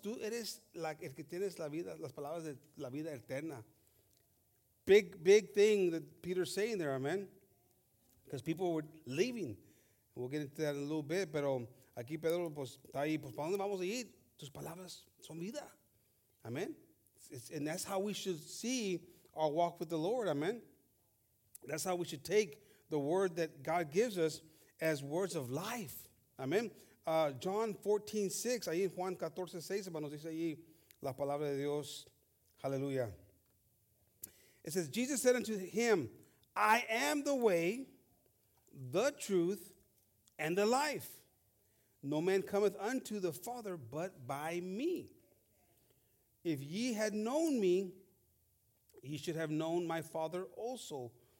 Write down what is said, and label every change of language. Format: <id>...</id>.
<es>Tú eres like el que tienes la vida, las palabras de la vida eterna.</es> <en>Big, big thing that Peter's saying there, amen. Because people were leaving. We'll get into that in a little bit.</en> <es>Pero aquí Pedro, pues, está ahí. Pues, ¿para dónde vamos a ir? Tus palabras son vida. Amen.</es> <en>And that's how we should see our walk with the Lord, amen. That's how we should take the word that God gives us as words of life, amen.</en> <es>John 14:6, ahí Juan 14:6, nos dice ahí la palabra de Dios.</es> <en>Hallelujah. It says, Jesus said unto him, I am the way, the truth, and the life. No man cometh unto the Father but by me. If ye had known me, ye should have known my Father also.</en>